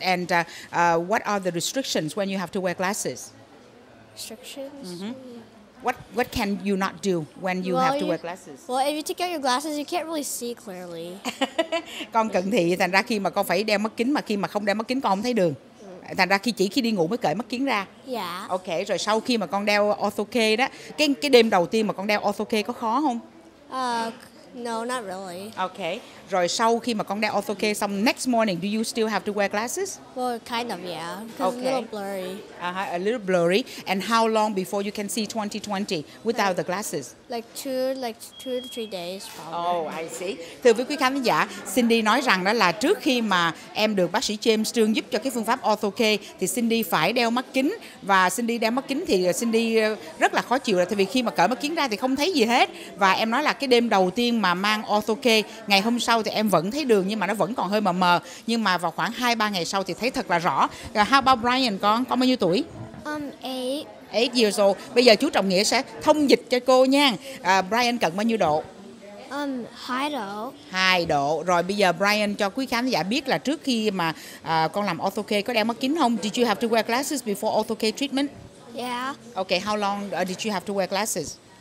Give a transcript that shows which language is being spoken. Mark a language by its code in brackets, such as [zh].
[en] And what are the restrictions when you have to wear glasses? Restrictions? Mm-hmm. What can you not do when you have to wear glasses? Well, if you take out your glasses, you can't really see clearly. [vi] Con cận thị, thành ra khi mà con phải đeo mắt kính, mà khi mà không đeo mắt kính con không thấy đường. Thành ra khi chỉ khi đi ngủ mới cởi mắt kính ra. Dạ. Ok, rồi sau khi mà con đeo AutoCare đó, cái đêm đầu tiên mà con đeo AutoCare có khó không? [en] No, not really. Okay. [vi] Rồi sau khi mà con đeo AutoCare xong, [en] next morning, do you still have to wear glasses? Well, kind of, yeah. Because okay. A little blurry. Uh-huh, a little blurry. And how long before you can see 20/20 without the glasses? Like two to three days, probably. Oh, I see. [vi] Thưa với quý khán giả, Cindy nói rằng đó là trước khi mà em được bác sĩ James Trương giúp cho cái phương pháp AutoCare, thì Cindy phải đeo mắt kính. Và Cindy đeo mắt kính thì Cindy rất là khó chịu, tại vì khi mà cởi mắt kính ra thì không thấy gì hết. Và em nói là cái đêm đầu tiên mà mang AutoCare, ngày hôm sau thì em vẫn thấy đường nhưng mà nó vẫn còn hơi mờ mờ, nhưng mà vào khoảng 2-3 ngày sau thì thấy thật là rõ. Rồi, [en] how about [vi] Brian, con bao nhiêu tuổi? [en] 8 years old. [vi] Bây giờ chú Trọng Nghĩa sẽ thông dịch cho cô nha. Brian cần bao nhiêu độ? 2 độ. 2 độ. Rồi bây giờ Brian cho quý khán giả biết là trước khi mà con làm AutoCare có đeo mắt kính không? [en] Did you have to wear glasses before AutoCare treatment? Yeah. Okay, how long did you have to wear glasses?